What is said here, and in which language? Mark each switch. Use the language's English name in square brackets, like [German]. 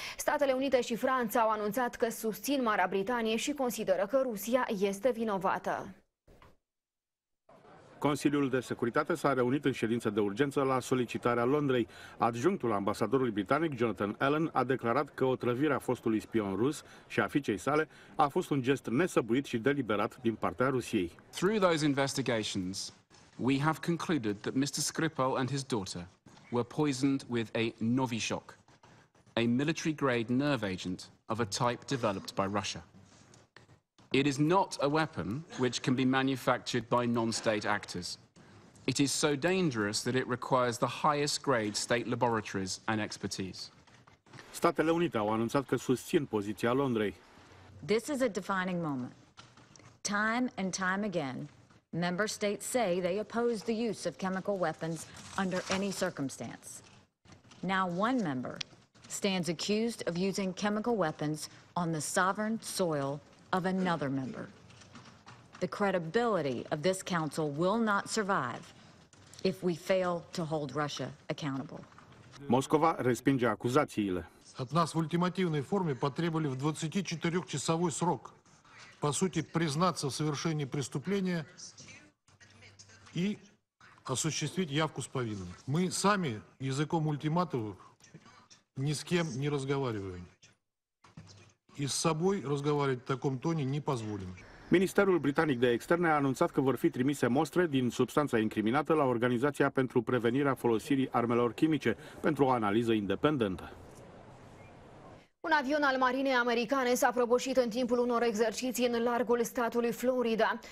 [Romanian] Statele Unite și Franța au anunțat că susțin Marea Britanie și consideră că Rusia este vinovată. Consiliul de Securitate s-a reunit în ședință de urgență la solicitarea Londrei. Adjunctul ambasadorului britanic, Jonathan Allen, a declarat că otrăvirea fostului spion rus și a fiicei sale a fost un gest nesăbuit și deliberat din partea Rusiei. [English] Through those investigations, we have concluded that Mr. Skripal and his daughter were poisoned with a Novichok, a military-grade nerve agent of a type developed by Russia. It is not a weapon which can be manufactured by non-state actors. It is so dangerous that it requires the highest grade state laboratories and expertise. [Romanian] Statele Unite au anunțat că susțin poziția Londrei. [English] This is a defining moment. Time and time again, member states say they oppose the use of chemical weapons under any circumstance. Now one member stands accused of using chemical weapons on the sovereign soil of another member. The credibility of this council will not survive if we fail to hold Russia accountable. [Romanian] Moscova respinge acuzațiile. [Russian] От нас в ультимативной форме потребовали в 24-часовой срок, по сути, признаться в совершении преступления и осуществить явку с повинным. Мы сами языком ультиматума ни с кем не разговариваем. И с собой разговаривать в таком тоне не позволим. [Romanian] Ministerul Britanic de Externe a anunțat că vor fi trimise mostre din substanța incriminată la Organizația pentru Prevenirea Folosirii Armelor Chimice pentru o analiză independentă. Un avion al marinei americane s-a prăbușit în timpul unor exerciții în largul statului Florida.